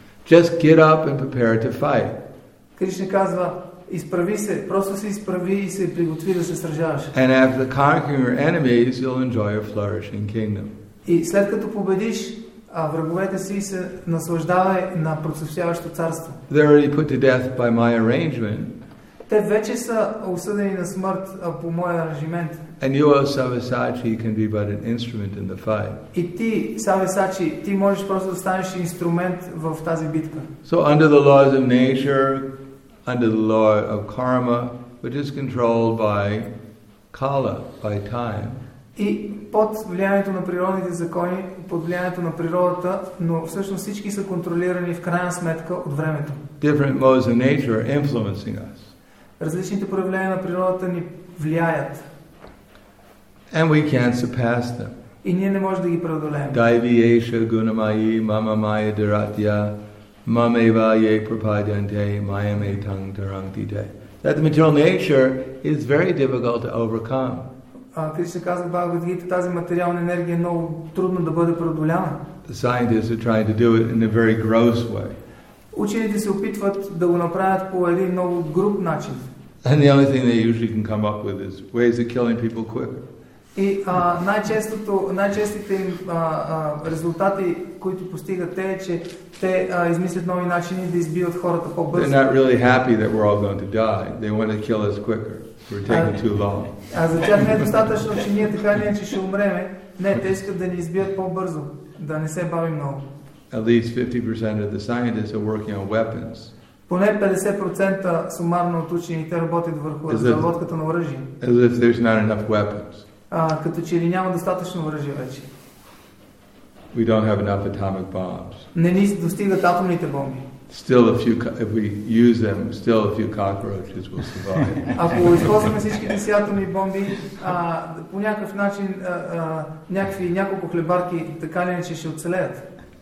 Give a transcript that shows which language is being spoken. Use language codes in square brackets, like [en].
[en] Just get up and prepare to fight. [bg] Krishna Kazva. Изправи се, просто се изправи и се приготви да се сражаваш. [en] And after conquering your enemies, you'll enjoy a flourishing kingdom. [bg] И след като победиш враговете си, се наслаждавай на процъфтяващо царство. [en] They're already put to death by my arrangement. [bg] Те вече са осъдени на смърт по моя аранжимент. [en] And you, Savasachi, can be but an instrument in the fight. [bg] И ти, Савесачи, ти можеш просто да станеш инструмент в тази битка. [en] So under the laws of nature, under the law of karma, which is controlled by kala, by time. [bg] И под влиянието на природните закони, под влиянието на природата, но всъщност всички са контролирани в крайна сметка от времето. [en] Different modes of nature are influencing us. [bg] Различните проявления на природата ни влияят. [en] And we can't surpass them. [bg] И ние не можем да ги преодолеем. [sa] Daivyesha gunamayi mama maya dharatya. Mameva ye prapadyante mayame tang tarangti te. [en] That the material nature is very difficult to overcome. [bg] Krishna казва в Бхагавад Гита, тази материална енергия е много трудно да бъде преодоляна. [en] The scientists are trying to do it in a very gross way. [bg] Учените се опитват да го направят по един много груб начин. [en] And the only thing they usually can come up with is ways of killing people quicker. [bg] И най-честите им резултати, които постигат те, е, че те измислят нови начини да избиват хората по-бързо. [en] They're not really happy that we're all going to die. They want to kill us quicker. We're taking too long. [bg] А за тях не е достатъчно, че ние така или иначе ще умреме. Не, те искат да ни избият по-бързо, да не се бавим много. [en] At least 50% of the scientists are working on weapons. [bg] Поне 50% сумарно от учените работят върху разработката на оръжие. [en] As if there's not enough weapons. [bg] Като че ли няма достатъчно оръжие вече. [en] We don't have enough atomic bombs. [bg] Не ни достигат атомните бомби. [en] Still a few, if we use them, still a few cockroaches will survive. [bg] Ако използваме всичките си атомни бомби, по някакъв начин няколко хлебарки така ли иначе ще оцелеят.